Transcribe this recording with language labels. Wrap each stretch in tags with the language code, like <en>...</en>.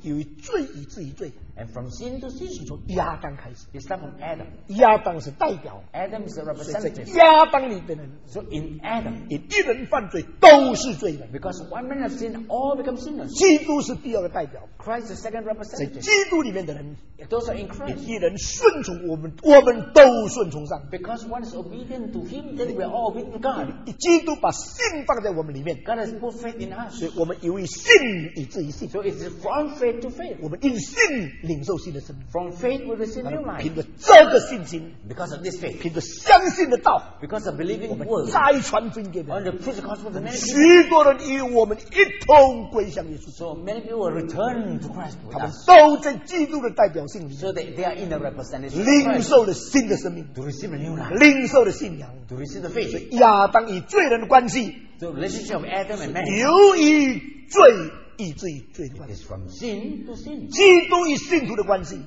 <zh>由于罪以至于罪。</zh> <en>And from sin to sin.</en> <zh>是从亚当开始。</zh> <en>It starts from Adam.</en> <zh>亚当是代表。</zh> <en>Adam is a representative.</en> <zh>亚当里的人。</zh> <en>So in Adam.</en> <zh>一人犯罪都是罪的。</zh> <en>Because one man has sinned, all become sinners.</en> <zh>基督是第二个代表。</zh> <en>Christ is the second representative.</en> <zh>基督里面的人。</zh> <en>Those are in Christ.</en> <zh>一人顺从我们，我们都顺从上。</zh> <en>Because one is obedient to him, then we are all obedient to God.</en> <zh>基督把信放在我们里面。</zh> <en>God has put faith in us.</en> <zh>所以我们由于信以至于信。</zh> <en>So it's from faith to faith.</en> <zh>我们因信领受新的生命。</zh> <en>From faith we receive new life.</en> <zh>凭着这个信心。</zh> <en>Because of this faith.</en> <zh>凭着相信的道。</zh> <en>Because of believing word.</en> <zh>我们再传福音给别人。</zh> <en>And the preach the gospel to many people.</en> <zh>许多人与我们一同归向耶稣。</zh> <en>So many people will return to Christ with us.</en> <zh>他们都在基督的代表性里。</zh> <en>So they are in the representation.</en> <zh>领受了新的生命。</zh> <en>To receive new life.</en> <zh>领受了信仰。</zh> <en>To receive the faith.</en> <zh>所以亚当与罪人的关系。</zh> <en>So relationship of Adam and man.</en> <zh>由于罪。以至于罪的关系</zh> <en>It is from sin to sin.</en> <zh>基督与信徒的关系</zh>